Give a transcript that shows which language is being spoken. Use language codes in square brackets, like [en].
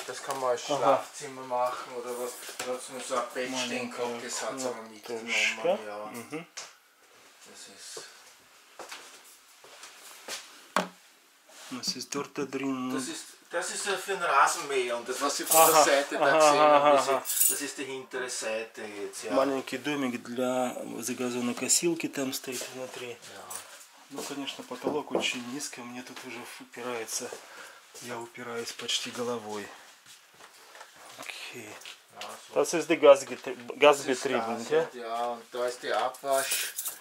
[de] Das kann man als Schlafzimmer machen oder was. Das ist nur so ein Bettchen, das hat es aber nicht genommen. Ja. Das ist... Was ist dort da drin? Das ist für den Rasenmäher und das, was Sie von der Seite da sehen, das ist die hintere Seite jetzt. Ja. [ru] Маленький домик для газонокосилки там стоит внутри. [de] Ja. [ru] Ну, конечно, потолок очень низкий, мне тут уже упирается. Я упираюсь почти головой. [de] Okay. Ja, so. Das ist die Gasbetriebung, ja? Ja, und da ist die Abwasch.